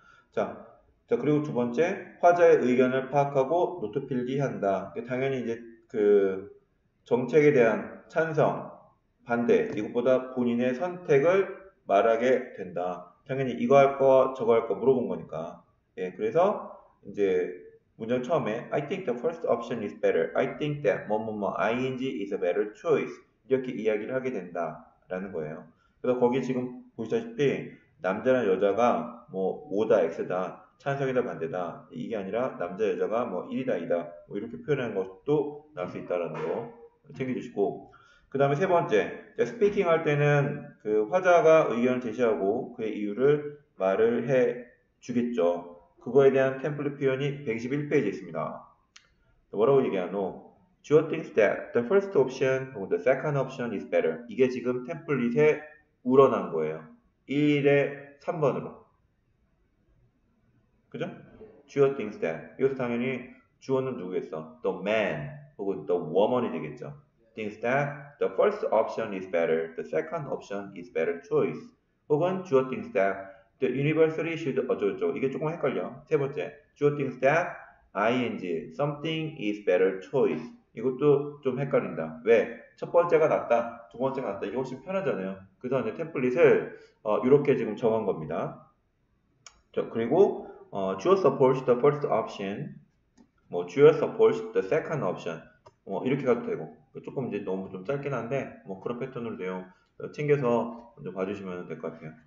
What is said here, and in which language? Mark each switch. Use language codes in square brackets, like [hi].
[ko] 자, 그리고 두 번째, 화자의 의견을 파악하고 노트 필기한다. 당연히 이제 그 정책에 대한 찬성, 반대, 이것보다 본인의 선택을 말하게 된다. 당연히 이거 할 거, 저거 할거 물어본 거니까. [en] 예, 그래서 이제 문장 처음에 I think the first option is better. I think that [ko] 뭐뭐뭐 [en] ing is a better choice. [ko] 이렇게 이야기를 하게 된다라는 거예요. 그래서 거기 지금 보시다시피 남자나 여자가 뭐 O다, X다. 찬성이다, 반대다. 이게 아니라, 남자, 여자가 뭐, 1이다, 2다. 뭐 이렇게 표현하는 것도 나올 수 있다라는 거 챙겨주시고. 그 다음에 세 번째. 스피킹 할 때는 그 화자가 의견을 제시하고 그의 이유를 말을 해 주겠죠. 그거에 대한 템플릿 표현이 121페이지에 있습니다. 뭐라고 얘기하노? [en] Joe thinks that the first option or the second option is better. [ko] 이게 지금 템플릿에 우러난 거예요. 1에 3번으로. 그죠? [en] Joe thinks that. [ko] 여기서 당연히 주어는 누구겠어? [en] The man [ko] 혹은 [en] the woman이 되겠죠. Thinks that the first option is better. The second option is better choice. [ko] 혹은 [en] Joe thinks that the university should [ko] 어쩌고저쩌고. 이게 조금 헷갈려. 세 번째. [en] Joe thinks that ing something is better choice. [ko] 이것도 좀 헷갈린다. 왜? 첫 번째가 낫다. 두 번째가 낫다. 이게 훨씬 편하잖아요. 그래서 이제 템플릿을 이렇게 지금 정한 겁니다. 자, 그리고 주어 [en] supports the first option, [ko] 뭐 주어 [en] supports the second option, [ko] 뭐 이렇게 가도 되고 조금 이제 너무 좀 짧긴 한데 뭐 그런 패턴으로 내용 챙겨서 먼저 봐주시면 될것 같아요.